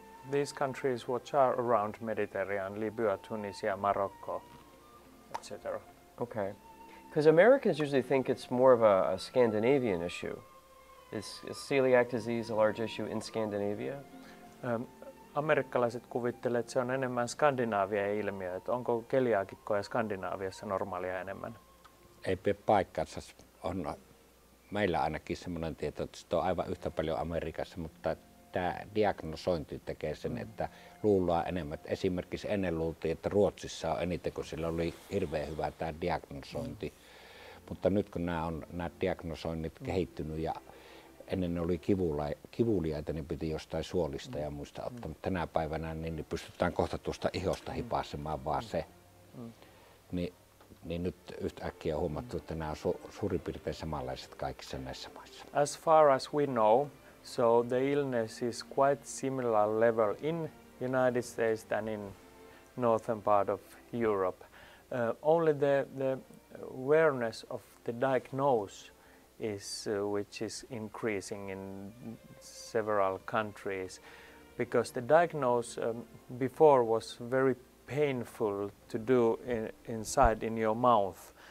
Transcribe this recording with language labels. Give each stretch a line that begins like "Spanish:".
English: These countries which are around Mediterranean, Libya, Tunisia, Morocco, etc. Okay. Because Americans usually think it's more of a Scandinavian issue. Is celiac disease a large issue in Scandinavia?
Finnish: Amerikkalaiset kuvittelee, että se on enemmän Skandinaavien ilmiö. Että onko keliaakikkoja Skandinaaviassa normaalia enemmän? Ei pidä paikkaansa. On meillä ainakin sellainen tieto, että se on aivan yhtä paljon Amerikassa, mutta tämä diagnosointi tekee sen, että luullaan enemmän. Esimerkiksi ennen luultiin, että Ruotsissa on eniten, kun sillä oli hirveän hyvä tämä diagnosointi. Mutta nyt kun nämä diagnosoinnit kehittynyt ja ennen ne oli kivuliaita, niin piti jostain suolista ja muista ottaa. Mutta tänä päivänä niin pystytään kohta tuosta ihosta hipaisemaan vaan se. Niin nyt yhtäkkiä on huomattu, että nämä on suurin piirtein samanlaiset kaikissa näissä maissa.
English: As far as we know, so the illness is quite similar level in United States than in northern part of Europe. Only the awareness of the diagnosis is which is increasing in several countries, because the diagnosis before was very painful to do inside in your mouth.